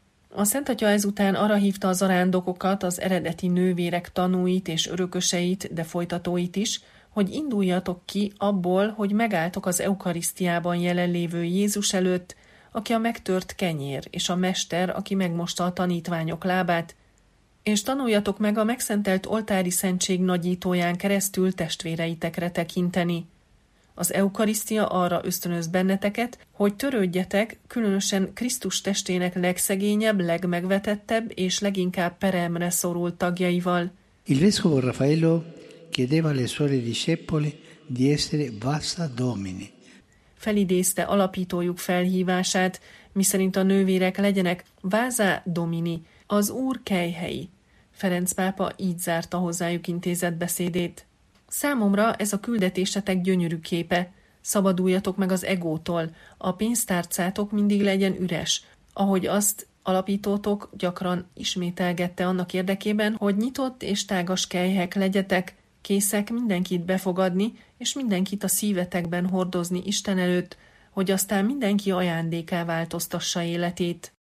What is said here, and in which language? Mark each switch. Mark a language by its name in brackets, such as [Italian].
[Hungarian] A Szentatya ezután arra hívta a zarándokokat, az eredeti nővérek tanúit és örököseit, de folytatóit is, hogy induljatok ki abból, hogy megálltok az eukarisztiában jelenlévő Jézus előtt, aki a megtört kenyér és a mester, aki megmosta a tanítványok lábát, és tanuljatok meg a megszentelt oltári szentség nagyítóján keresztül testvéreitekre tekinteni. Az eukarisztia arra ösztönöz benneteket, hogy törődjetek, különösen Krisztus testének legszegényebb, legmegvetettebb és leginkább peremre szorult tagjaival. [Italian] Il vescovo Raffaello chiedeva alle sue discepoli di essere Vasa Domini. [Hungarian] Felidézte alapítójuk felhívását, miszerint a nővérek legyenek Vasa Domini, az Úr kelyhei. Ferenc pápa így zárta hozzájuk intézett beszédét. Számomra ez a küldetésetek gyönyörű képe. Szabaduljatok meg az egótól, a pénztárcátok mindig legyen üres, ahogy azt alapítótok gyakran ismételgette annak érdekében, hogy nyitott és tágas kelyhek legyetek, készek mindenkit befogadni, és mindenkit a szívetekben hordozni Isten előtt, hogy aztán mindenki ajándékká változtassa életét.